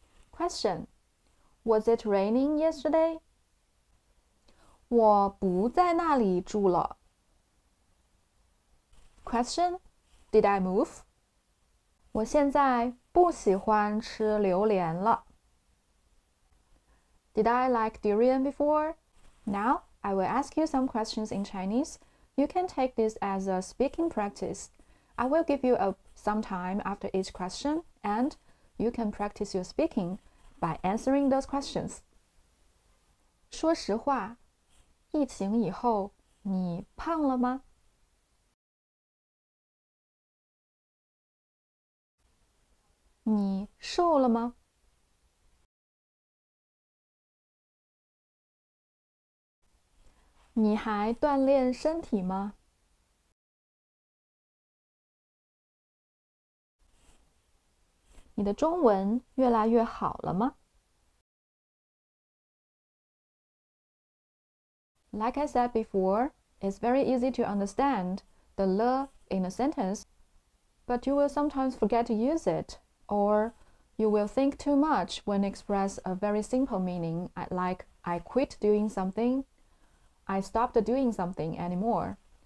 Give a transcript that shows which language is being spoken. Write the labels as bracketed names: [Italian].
[English] Question: Was it raining yesterday? [Chinese] 我不在那里住了。 [English] Question: Did I move? [Chinese] 我现在不喜欢吃榴莲了。 [English] Did I like durian before? Now I will ask you some questions in Chinese. You can take this as a speaking practice. I will give you some time after each question, and you can practice your speaking by answering those questions. [Chinese] 说实话，疫情以后你胖了吗？你瘦了吗？你还锻炼身体吗？你的中文越来越好了吗？ [English] Like I said before, it's very easy to understand the le in a sentence, but you will sometimes forget to use it, or you will think too much when express a very simple meaning, like I quit doing something, I stopped doing something anymore.